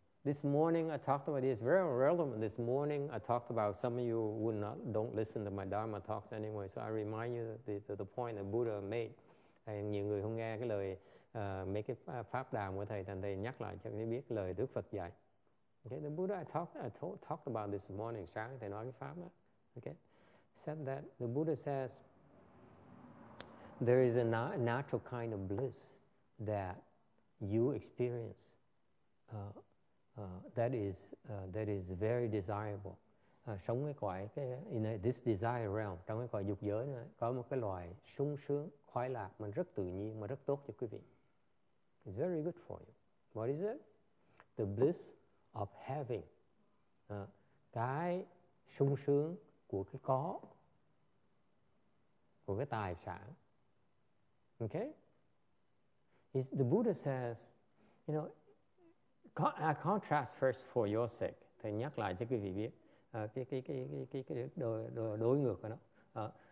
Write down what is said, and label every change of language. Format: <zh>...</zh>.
<en>This morning I talked about this, very relevant. This morning I talked about, some of you would not, don't listen to my Dharma talks anyway, so I remind you the point that Buddha made.</en> <vi>And nhiều người không nghe cái lời, mấy cái pháp đàm của thầy, thành thầy nhắc lại cho mấy biết lời Đức Phật dạy.</vi> <en>Okay, the Buddha I talked about this morning,</en> <vi>sáng thầy nói cái pháp đó.</vi> <en>Okay, said that the Buddha says there is a natural kind of bliss that you experience that is very desirable.</en> <vi>Sống cái cõi</vi> <en>in this desire realm,</en> <vi>trong cái cõi dục giới này, có một cái loại sung sướng khoái lạc mà rất tự nhiên mà rất tốt cho quý vị.</vi> <en>It's very good for you. What is it? The bliss of having.</en> <vi>Cái sung sướng của cái có, của cái tài sản.</vi> <en>Okay? It's, the Buddha says, you know, I contrast first for your sake.</en> <vi>Thầy nhắc lại cho quý vị biết cái đối ngược của nó.</vi>